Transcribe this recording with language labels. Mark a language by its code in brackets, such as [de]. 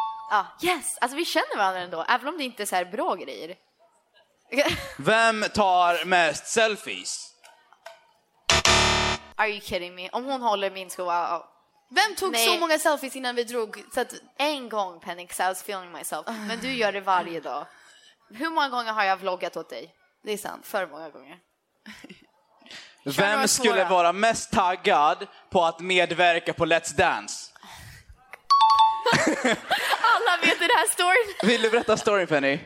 [sv] Ja, [en] yes. [sv] Alltså vi känner varandra ändå, även om det inte är så här bra grejer. Vem tar mest selfies? [en] Are you kidding me? [sv] Om hon håller min skola... Vem tog så många selfies innan vi drog? Så att... En gång, [en] Penny, I was feeling myself. [sv] Men du gör det varje dag. Hur många gånger har jag vloggat åt dig? Det är sant. För många gånger. Vem skulle vara mest taggad på att medverka på Let's Dance? Alla vet den här storyn. Vill du berätta storyn, Penny?